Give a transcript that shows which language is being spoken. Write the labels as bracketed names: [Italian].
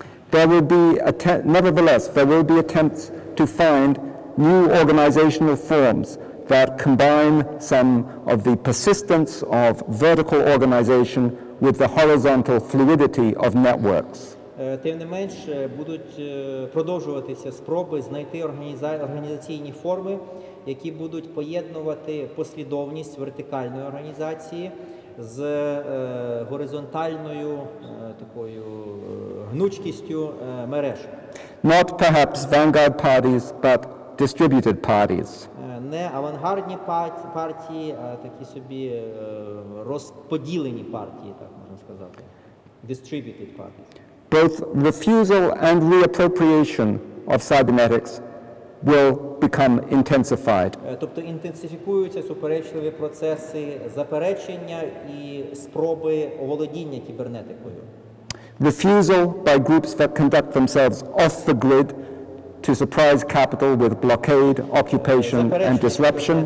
[English] There will be nevertheless there will be attempts to find new organizational forms that combine some of the persistence of vertical organization with the horizontal fluidity of networks. [Ukrainian] Тим не менш, будуть продовжуватися спроби знайти організаційні форми, які будуть поєднувати послідовність вертикальної організації з горизонтальною такою гнучкістю мереж. [English] Not perhaps vanguard parties, but distributed parties. [Ukrainian] Не авангардні партії, а такі собі розподілені партії, так можна сказати. [English] Distributed parties. Both refusal and reappropriation of cybernetics will become intensified. [Ukrainian] Тобто інтенсифікуються суперечливі процеси заперечення і спроби оволодіння кібернетикою. [English] Refusal by groups that conduct themselves off the grid to surprise capital with blockade, occupation and disruption.